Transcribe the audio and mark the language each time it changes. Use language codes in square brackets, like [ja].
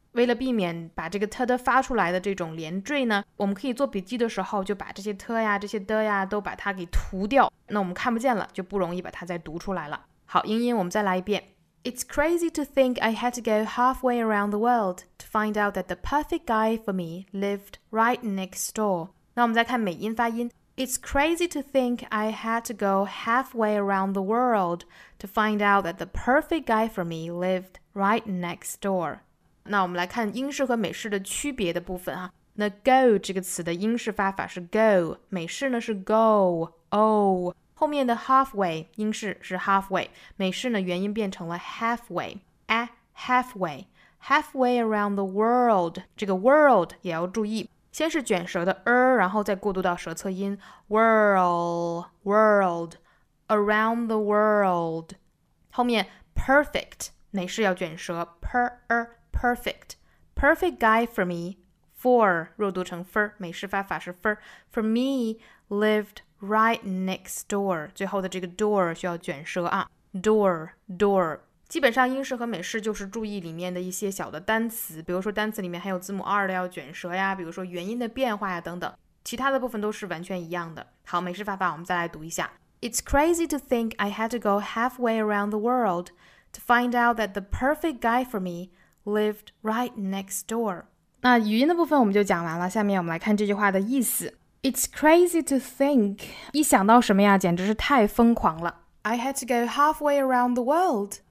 [zh] 为了避免把这个特的发出来的这种连缀呢，我们可以做笔记的时候就把这些特呀这些的呀都把它给涂掉，那我们看不见了，就不容易把它再读出来了。好，英音我们再来一遍。 [en] It's crazy to think I had to go halfway around the world to find out that the perfect guy for me lived right next door. [zh] 那我们再看美音发音。 [en] It's crazy to think I had to go halfway around the world to find out that the perfect guy for me lived right next door. [zh] 那我们来看英式和美式的区别的部分啊。那 go 这个词的英式发法是 go, 美式呢是 go, oh. 后面的 halfway, 英式是 halfway, 美式呢元音变成了 halfway, a halfway, [en] halfway around the world, [zh] 这个 world 也要注意。先是卷舌的 r, 然后再过渡到舌侧音 world, world, [en] around the world. [zh] 后面 perfect, 美式要卷舌 per, perfect, [en] perfect guy for me, [zh] For, 若读成 for, 美式发法是 for, for me, [en] lived right next door, [zh] 最后的这个 door 需要卷舌啊 door, door, 基本上英式和美式就是注意里面的一些小的单词，比如说单词里面还有字母二的要卷舌呀，比如说元音的变化呀等等，其他的部分都是完全一样的。好，美式发法我们再来读一下。 [en] It's crazy to think I had to go halfway around the world to find out that the perfect guy for me lived right next door. [zh] 那语音的部分我们就讲完了，下面我们来看这句话的意思。 [en] It's crazy to think. [zh] 一想到什么呀，简直是太疯狂了。 [en] I had to go halfway around the world.